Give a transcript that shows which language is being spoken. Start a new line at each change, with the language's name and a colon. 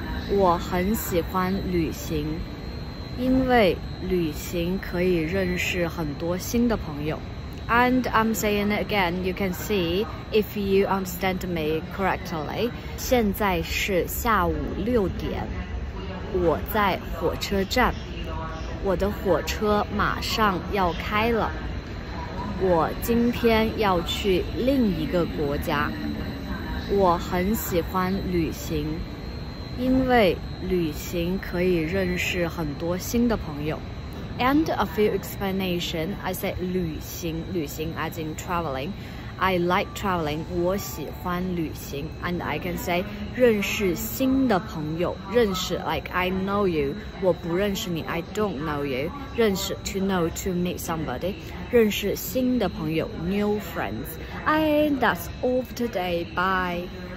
Chinese: 我很喜欢旅行，因为旅行可以认识很多新的朋友。
English: And I'm saying it again, you can see if you understand me correctly.
Chinese: 现在是下午六点，我在火车站，我的火车马上要开了。我今天要去另一个国家。我很喜欢旅行，因为旅行可以认识很多新的朋友。
English: And a few explanation, I said 旅行 as in traveling. I like traveling,
Chinese: 我喜欢旅行。
English: And I can say
Chinese: 认识新的朋友，
English: 认识 like I know you,
Chinese: 我不认识你
English: I don't know you, 认识 to know, to meet somebody,认识新的朋友 new friends. And that's all for today. Bye.